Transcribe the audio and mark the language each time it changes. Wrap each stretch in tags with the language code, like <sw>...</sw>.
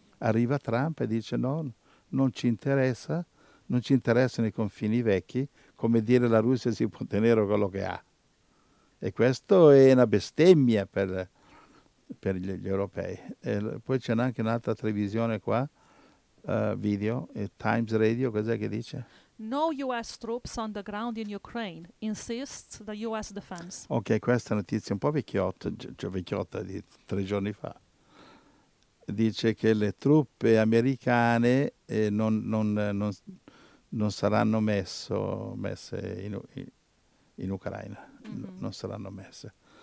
<it>Arriva Trump e dice no, non ci interessa, non ci interessano i confini vecchi, come dire la Russia si può tenere quello che ha. E questo è una bestemmia per gli europei. E poi c'è anche un'altra televisione qua, video, Times Radio, cos'è che dice?</it> <en>No US troops on the ground in Ukraine, insists the US defense.</en> <it>Ok, questa notizia è un po' vecchiotta, cioè vecchiotta di 3 giorni fa. Dice che le truppe americane non saranno messe in Ucraina, mm-hmm. Non saranno messe.</it>